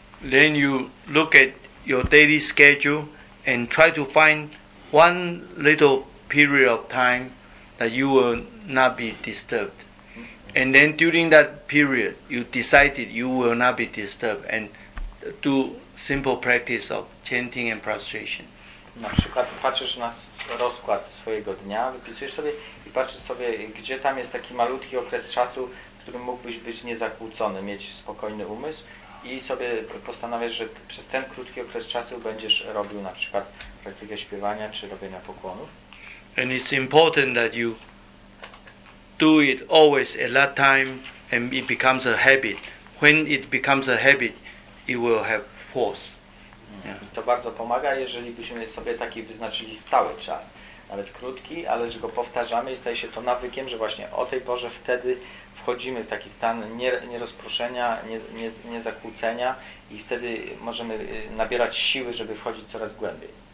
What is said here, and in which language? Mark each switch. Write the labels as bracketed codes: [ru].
[en] Then you look at your daily schedule and try to find one little period of time that you will not be disturbed. And then during that period, you decided you will not be disturbed and do simple practice of chanting and prostration. [pl] Na przykład patrzysz na rozkład swojego dnia, wypisujesz sobie i patrzysz sobie, gdzie tam jest taki malutki okres czasu, w którym mógłbyś być niezakłócony, mieć spokojny umysł i sobie postanawiasz, że przez ten krótki okres czasu będziesz robił na przykład praktykę śpiewania czy robienia pokłonów. [en] And it's important that you do it always at that time and it becomes a habit. When it becomes a habit, it will have force. [pl] I to bardzo pomaga, jeżeli byśmy sobie taki wyznaczyli stały czas, nawet krótki, ale że go powtarzamy i staje się to nawykiem, że właśnie o tej porze wtedy wchodzimy w taki stan nierozproszenia, niezakłócenia i wtedy możemy nabierać siły, żeby wchodzić coraz głębiej.